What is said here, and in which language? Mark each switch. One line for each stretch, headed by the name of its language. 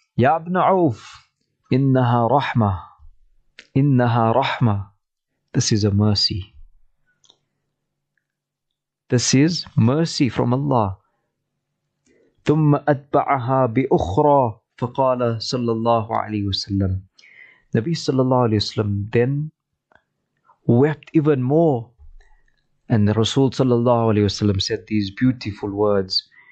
Arabic: يا ابن عوف إنها رحمة إنها رحمة.
English: This is a mercy. This is mercy from Allah.
Arabic: ثم أتبعها بأخرى فقال صلى الله عليه وسلم.
English: Nabi صلى الله عليه وسلم then wept even more. And the Rasul صلى الله عليه وسلم said these beautiful words.